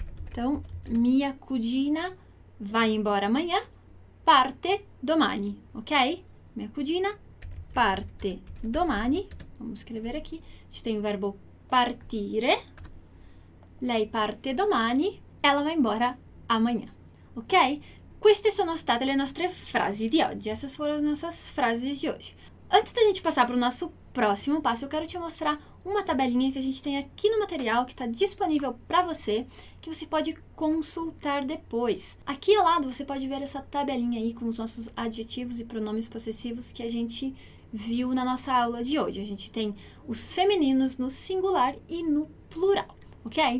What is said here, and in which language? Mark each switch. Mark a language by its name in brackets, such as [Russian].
[Portuguese] Então, mia cugina vai embora amanhã, [Italian] parte domani, [Portuguese] ok? [Italian] Mia cugina parte domani, [Portuguese] Vamos escrever aquí. A gente tem o verbo partire. [Italian] Lei parte domani, [Portuguese] ela vai embora amanhã. Ok? [Italian] Queste sono state le nostre frasi di oggi. [Portuguese] Essas foram as nossas frases de hoje. Antes da gente passar para o nosso próximo passo, eu quero te mostrar uma tabelinha que a gente tem aqui no material, que está disponível para você, que você pode consultar depois. Aqui ao lado você pode ver essa tabelinha aí com os nossos adjetivos e pronomes possessivos que a gente viu na nossa aula de hoje. A gente tem os femininos no singular e no plural, ok?